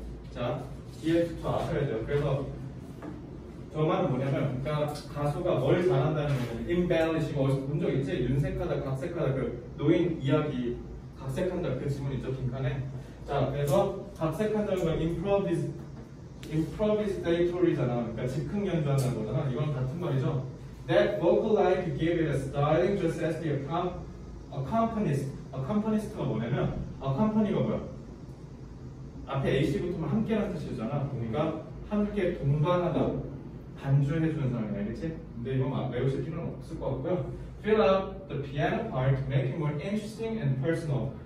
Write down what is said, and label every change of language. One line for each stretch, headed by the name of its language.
Korean: 자, 이해부터 아셔야 돼요. 그래서 저만 뭐냐면 그러니까 가수가 뭘 잘한다는 거죠. Embellish 이거 본 적 있지? 윤색하다, 각색하다, 그 노인 이야기 각색한다 그 질문 있죠, 빈칸에. 자, 그래서 각색한다는 건 improvisatory잖아. 그러니까 즉흥 연주한다는 거잖아. 이건 같은 말이죠.
English: That vocal line could give it a styling just as the accompanist.
Korean: Accompanist가 뭐냐면 accompany가 뭐야? 앞에 AC부터는 함께라는 뜻이잖아. 그러니까 함께 동반하다 반주해주는 사람이야, 그렇지? 근데 이건 막 외우실 필요는 없을 것 같고요.
English: Fill up the piano part to make it more interesting and personal.